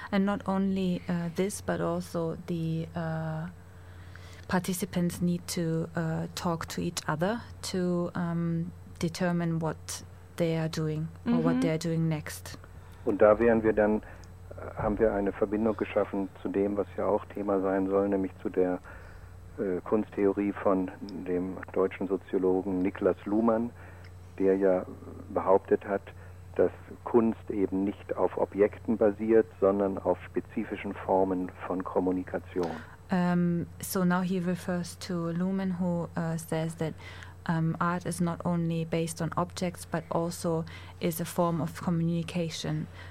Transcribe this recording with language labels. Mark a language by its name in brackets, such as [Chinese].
[English] And not only this, but also the participants need to talk to each other to determine what they are doing or mm-hmm. what they are doing next. [German] Und da wären wir dann, haben wir eine Verbindung geschaffen zu dem, was ja auch Thema sein soll, nämlich zu der Kunsttheorie von dem deutschen Soziologen Niklas Luhmann, der ja behauptet hat, dass Kunst eben nicht auf Objekten basiert, sondern auf spezifischen Formen von Kommunikation. [English] So now he refers to Luhmann, who says that art is not only based on objects, but also is a form of communication.